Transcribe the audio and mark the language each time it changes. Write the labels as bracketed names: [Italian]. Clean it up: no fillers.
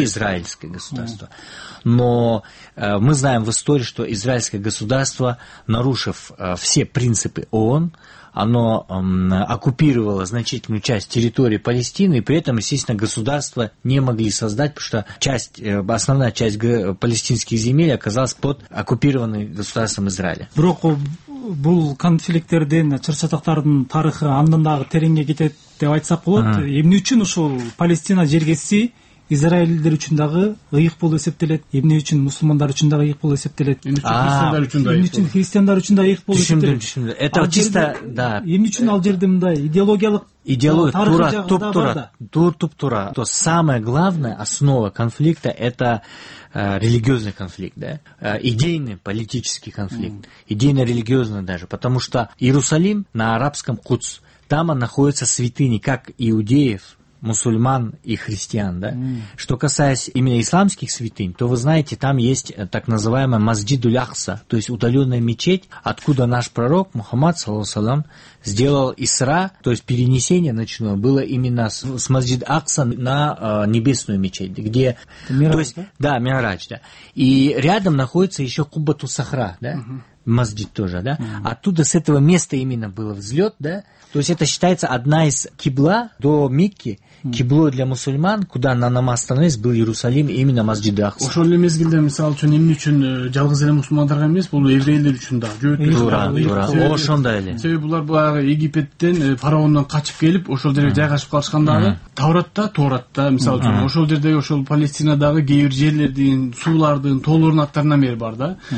[Russian] И израильское государство. Но мы знаем в истории, что израильское государство, нарушив все принципы ООН, оно оккупировало значительную часть территории Палестины, и при этом, естественно, государство не могли создать, потому что основная часть палестинских земель оказалась под оккупированным государством Израиля. [Kyrgyz] Бул конфликттерден чырчатактардын тарыхы андан дагы тереңге кетет деп айтсак болот. Эмне үчүн ушул Палестина жергеси израилдер үчүн дагы ыйык болуп эсептелет? Эмне үчүн мусулмандар үчүн дагы ыйык болуп эсептелет? Эмне үчүн христиандар үчүн дагы ыйык болуп эсептелет? Түшүндүм. [Russian] Это чисто, да. [Kyrgyz] Эмне үчүн ал жерде мындай идеологиялык Тура. [Russian] То самое главное, основа конфликта, это религиозный конфликт, да? Идейный, политический конфликт, идейно-религиозный даже, потому что Иерусалим на арабском Куц, там находятся святыни, как иудеев, мусульман и христиан, да? Что касается именно исламских святынь, то вы знаете, там есть так называемая Масджид-уль-Ахса, то есть удаленная мечеть, откуда наш пророк Мухаммад, салам, сделал Исра, то есть перенесение ночное было именно с Масджид-Ахса на небесную мечеть, где... Мирадж, да? Да, Мирадж, да. И рядом находится еще Куббату-Сахра, да? Масджид тоже, да? Оттуда, с этого места именно был взлет, да? То есть это считается одна из кибла до Микки, киблой для мусульман, куда на намаз становились, был Иерусалим, именно Масджид-Ахса. [Kyrgyz] Ошол мезгилде, мисалы үчүн, эмне үчүн жалгыз эле мусулмандарга эмес, бул еврейлер үчүн да, жөөтүп туура, туура. Ошондой эле. Себеби булар баягы Египеттен, фараондон качып келип, ошол жерге жайгашып калышкандагы, Тауратта, Тоуратта, мисалы үчүн, ошол жердеги, ошол Палестинадагы кээ бир жерлердин, суулардын, тоолордун аттарынан бери бар да.